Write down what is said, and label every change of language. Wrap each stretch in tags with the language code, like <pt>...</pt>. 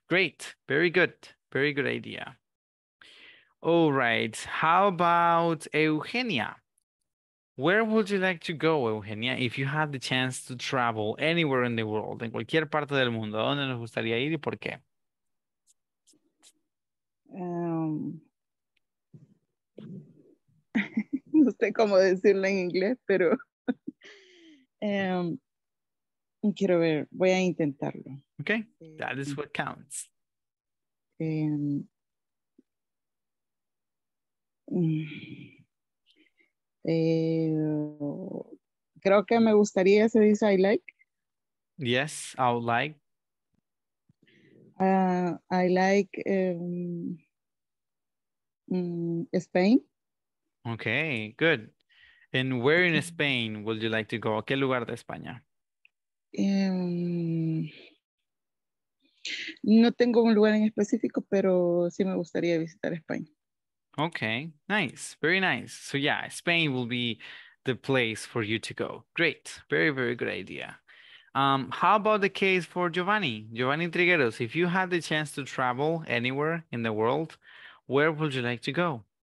<en>Great, very good, very good idea. All right, how about Eugenia? Where would you like to go, Eugenia, if you had the chance to travel anywhere in the world,</en> <es>en cualquier parte del mundo? ¿Dónde nos gustaría ir y por qué? No sé cómo decirlo en inglés, pero quiero ver, voy a intentarlo.</es> <en>Okay, that is what counts.</en> <es>Creo que me gustaría, se dice</es> <en>I like. Yes, I would like. I like Spain. Okay, good. And where in Spain would you like to go?</en> <es>¿Qué lugar de España? No tengo un lugar en específico, pero sí me gustaría visitar España.</es> <en>Okay, nice. Very nice. So yeah, Spain will be the place for you to go. Great. Very, very good idea. How about the case for Giovanni? Giovanni Trigueros, if you had the chance to travel anywhere in the world, where would you like to go?</en>